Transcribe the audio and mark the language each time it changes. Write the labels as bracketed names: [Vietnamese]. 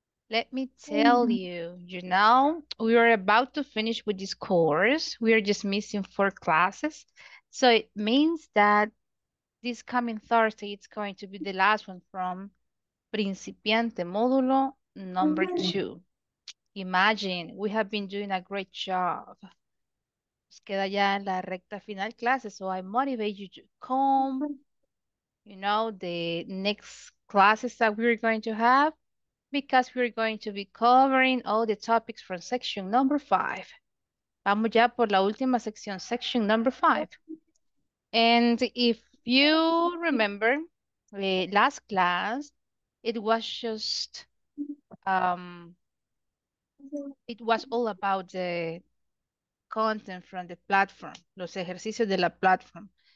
[English] Let me tell you, we are about to finish with this course. We are just missing four classes. So it means that this coming Thursday, it's going to be the last one from Principiante Módulo number two. Imagine, we have been doing a great job. [Spanish] Nos queda ya en la recta final clases. [English] So I motivate you to come, the next classes that we're going to have. Because we're going to be covering all the topics from section number five. [Spanish] Vamos ya por la última sección, [English] section number five. And if you remember, last class, it was all about the content from the platform, [Spanish] los ejercicios de la plataforma.